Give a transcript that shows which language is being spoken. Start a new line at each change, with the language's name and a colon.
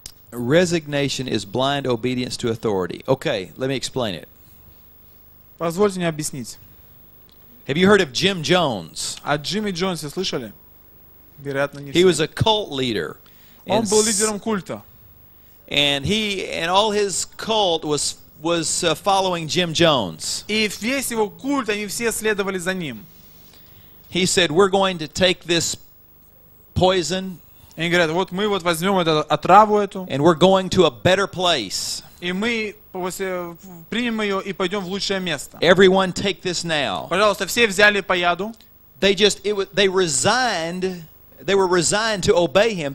English: Resignation is blind obedience to authority. Okay, let me explain it.
Russian: Позвольте мне объяснить.
English: Have you heard of Jim Jones?
Russian: О Джимми Джонсе слышали? Вероятно, не все.
English: He was a cult leader.
Russian: Он был лидером культа.
English: And he and all his cult was following Jim Jones.
Russian: И весь его культ, они все следовали за ним.
English: He said, "We're going to take this poison."
Russian: И они говорят, вот мы вот возьмем эту отраву эту.
English: And we're going to a better place.
Russian: И мы примем ее и пойдем в лучшее место.
English: Everyone take this now.
Russian: Пожалуйста, все взяли по яду.
English: They just they resigned. They were resigned to obey him.